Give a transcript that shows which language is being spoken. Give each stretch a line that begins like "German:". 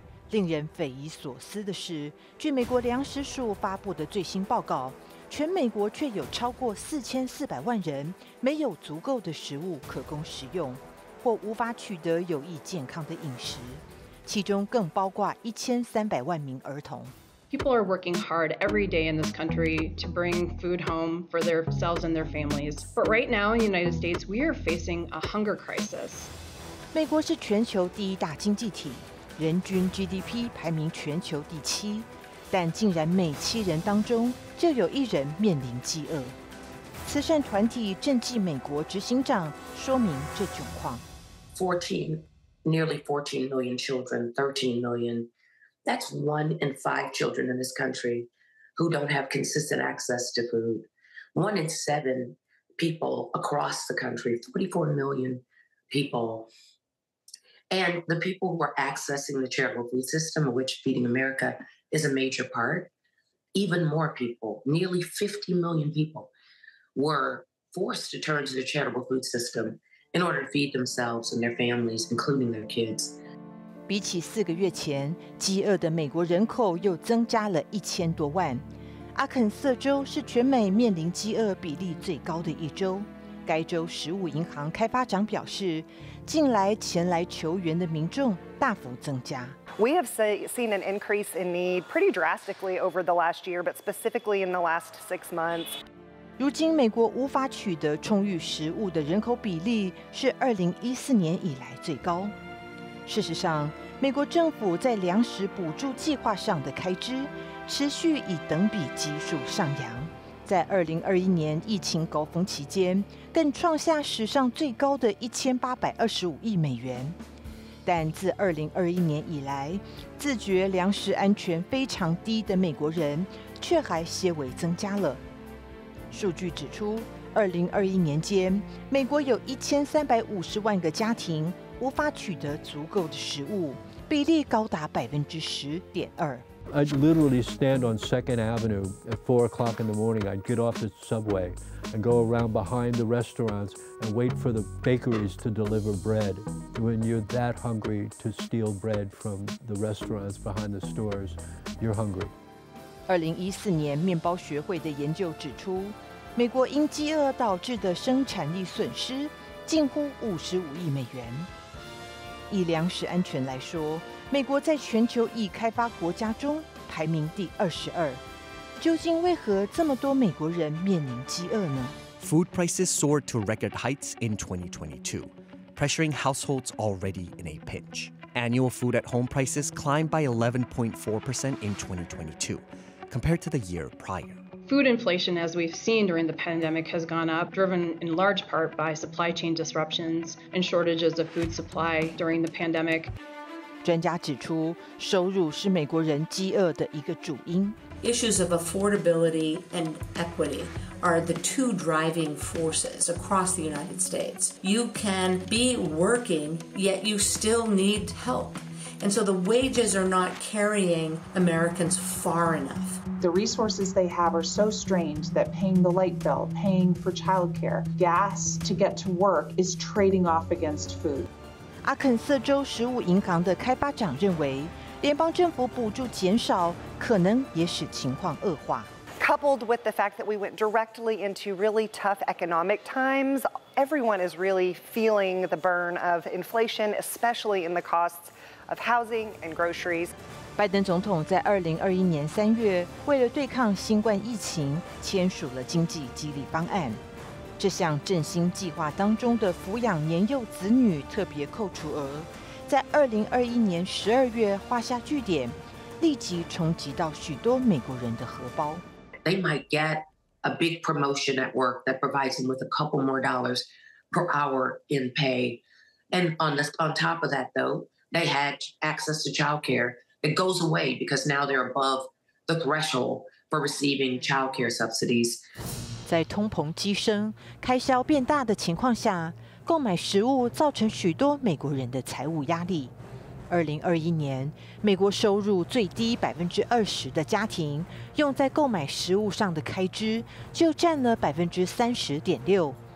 Chinese: 令人匪夷所思的是，据美国粮食署发布的最新报告，全美国却有超过4400万人没有足够的食物可供食用，或无法取得有益健康的饮食，其中更包括1300万名儿童。
English: People are working hard every day in this country to bring food home for themselves and their families. But right now in the United States, we are facing a hunger crisis.
Chinese: 美国是全球第一大经济体，人均 GDP 排名全球第7，但竟然每7人当中就有1人面临饥饿。慈善团体赈济美国执行长说明这窘况。
English: 14 million children, 13 million. That's 1 in 5 children in this country who don't have consistent access to food. 1 in 7 people across the country, 44 million people. And the people who are accessing the charitable food system, of which Feeding America is a major part, even more people, nearly 50 million people, were forced to turn to the charitable food system in order to feed themselves and their families, including their kids.
Chinese: 比起4个月前，饥饿的美国人口又增加了1000多万。阿肯色州是全美面临饥饿比例最高的一州。该州食物银行开发长表示，近来前来求援的民众大幅增加。
English: We have seen an increase in need pretty drastically over the last year, but specifically in the last 6 months.
Chinese: 如今，美国无法取得充裕食物的人口比例是2014年以来最高。事实上，美国政府在粮食补助计划上的开支持续以等比基数上扬，在2021年疫情高峰期间，更创下史上最高的1825亿美元。但自2021年以来，自觉粮食安全非常低的美国人却还些微增加了。数据指出，2021年间，美国有1350万个家庭无法取得足够的食物，比例高达10.2%。
English: I'd literally stand on Second Avenue at 4 o'clock in the morning. I'd get off the subway and go around behind the restaurants and wait for the bakeries to deliver bread. When you're that hungry to steal bread from the restaurants behind the stores, you're hungry.
Chinese: 2014年，面包学会的研究指出，美国因饥饿导致的生产力损失近乎55亿美元。以粮食安全来说，美国在全球已开发国家中排名第22。究竟为何这么多美国人面临饥饿呢？
English: Food prices soared to record heights in 2022, pressuring households already in a pinch. Annual food at home prices climbed by 11.4% in 2022, compared to the year prior. Food inflation, as we've seen during the pandemic, has gone up, driven in large part by supply chain disruptions and shortages of food supply during the pandemic.
Chinese: 专家指出，收入是美国人饥饿的一个主因。
English: Issues of affordability and equity are the two driving forces across the United States. You can be working, yet you still need help. And so the wages are not carrying Americans far enough. The resources they have are so strained that paying the light bill, paying for childcare, gas to get to work is trading off against food.
Chinese: 阿肯色州食物银行的开发长认为，联邦政府补助减少可能也使情况恶化。
English: Coupled with the fact that we went directly into really tough economic times, everyone is really feeling the burn of inflation, especially in the costs of housing and groceries.
Chinese: 拜登总统在2021年3月为了对抗新冠疫情签署了经济激励方案。这项振兴计划当中的抚养年幼子女特别扣除额在2021年12月画下句点，立即冲击到许多美国人的荷包。
English: They might get a big promotion at work that provides them with a couple more dollars per hour in pay. And on top of that, though, they had access to childcare. It goes away because now they're above the threshold for receiving childcare subsidies.
Chinese: 在通膨激升、开销变大的情况下，购买食物造成许多美国人的财务压力。 2021年，美国收入最低20%的家庭，用在购买食物上的开支就占了30.6%。